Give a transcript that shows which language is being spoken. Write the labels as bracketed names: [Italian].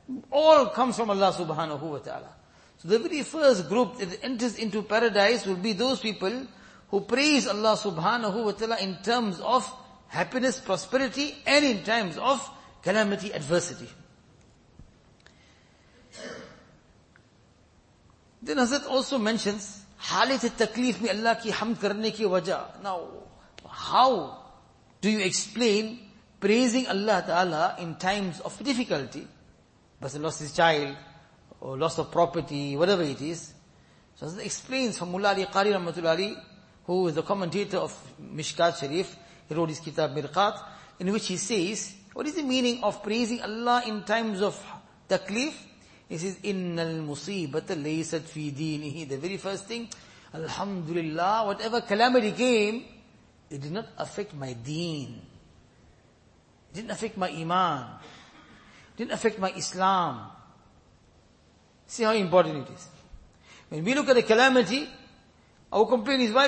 [English] All comes from Allah subhanahu wa ta'ala. So the very first group that enters into paradise will be those people who praise Allah subhanahu wa ta'ala in terms of happiness, prosperity, and in times of calamity, adversity. Then Hazrat also mentions, [Urdu] حالت التکلیف میں اللہ کی حمد کرنے کی وجہ. [English] Now, how do you explain praising Allah Ta'ala in times of difficulty? Person lost his child, or loss of property, whatever it is. So he explains from Mullah Ali Qari Rahmatullah Ali, who is the commentator of Mishkat Sharif, he wrote his Kitab Mirqat, in which he says, what is the meaning of praising Allah in times of taklif? [Arabic] He says, إِنَّ الْمُصِيبَةَ لَيْسَتْ فِي دِينِهِ. [English] The very first thing, Alhamdulillah, whatever calamity came, it did not affect my deen. It didn't affect my iman. It didn't affect my Islam. See how important it is. When we look at a calamity, our complaint is why?